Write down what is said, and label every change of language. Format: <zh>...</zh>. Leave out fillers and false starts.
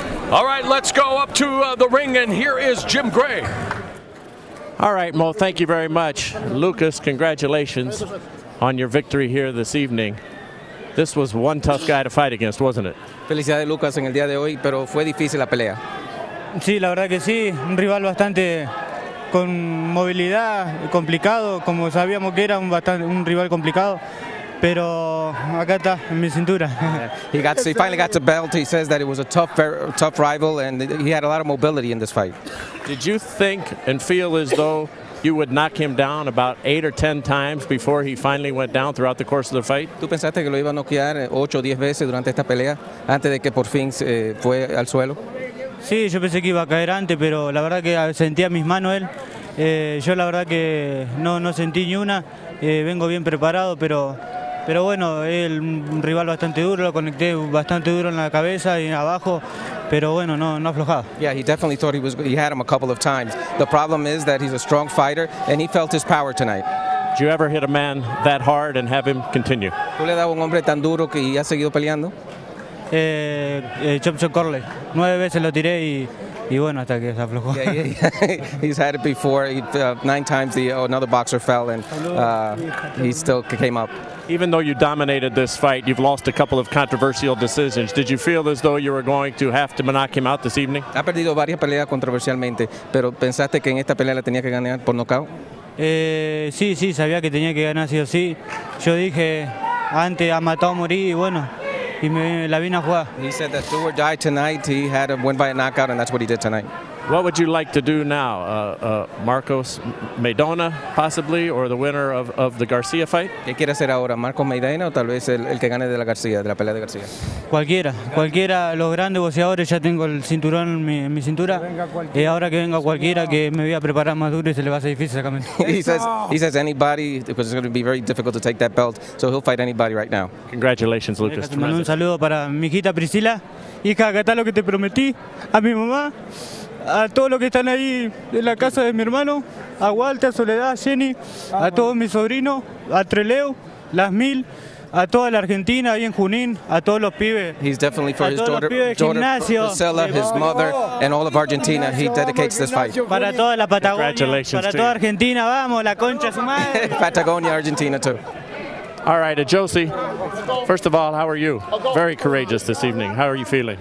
<en>All right, let's go up to the ring, and here is Jim Gray. All right, Mo, thank you very much. Lucas, congratulations on your victory here this evening. This was one tough guy to fight against, wasn't it?</en> <es>Felicidades, Lucas, en el día de hoy, pero fue difícil la pelea. Sí, la verdad que sí, un rival bastante con movilidad, complicado, como sabíamos que era un rival complicado. Pero acá está, en mi cintura.</es> <en>He finally got the belt. He says that it was a tough rival, and he had a lot of mobility in this fight. Did you think and feel as though you would knock him down about 8 or 10 times before he finally went down throughout the course of the fight?</en> <es>¿Tú pensaste que lo iba a noquear 8 o 10 veces durante esta pelea antes de que por fin fue al suelo? Sí, yo pensé que iba a caer antes, pero la verdad que sentía mis manos él. Yo la verdad que no sentí ni una. Vengo bien preparado, pero Pero bueno, el rival bastante duro, lo conecté bastante duro en la cabeza y abajo, pero bueno, no aflojado.</es> <en>Yeah, he definitely thought he had him a couple of times. The problem is that he's a strong fighter and he felt his power tonight. Do you ever hit a man that hard and have him continue?</en> <es>¿Tú le das a un hombre tan duro que ha seguido peleando? Chop Corley. 9 veces lo tiré y bueno, hasta que se aflojó.</es> <en>Yeah, he's had it before. Nine times another boxer fell and he still came up. Even though you dominated this fight, you've lost a couple of controversial decisions. Did you feel as though you were going to have to knock him out this evening?</en> <es>Ha perdido varias peleas controversialmente, pero ¿pensaste que en esta pelea la tenía que ganar por nocaut? Sí, sabía que tenía que ganar sí o sí. Yo dije antes a matar o morir y bueno, y me la vine a jugar.</es> <en>He said that do or die tonight. He had a win by a knockout and that's what he did tonight. What would you like to do now? Marcos Maidana, possibly, or the winner of the Garcia fight?</en> <es>¿Qué quiere hacer ahora? ¿Marcos Maidana o tal vez el que gane de la García, de la pelea de García? Cualquiera. Los grandes boxeadores, ya tengo el cinturón en mi cintura. Y ahora que venga cualquiera, que me voy a preparar más duro y se le va a ser difícil sacarme.</es> <en>He says anybody, because it's going to be very difficult to take that belt, so he'll fight anybody right now. Congratulations, Lucas.</en> <es>Un saludo para mi hijita Priscila. Hija, acá está lo que te prometí. A mi mamá. A todos los que están ahí en la casa de mi hermano, a Walter, a Soledad, a Jenny, a todos mis sobrinos, a Treleo, Las Mil, a toda la Argentina, ahí en Junín, a todos los pibes.</es> <en>He's definitely for a his daughter, Priscila, his mother, and all of Argentina, he dedicates this fight.</en> <es>Para toda la Patagonia, para toda Argentina, vamos, la concha su madre.</es> <en>Patagonia, Argentina too. All right, Ajose, first of all, how are you? Very courageous this evening. How are you feeling?</en>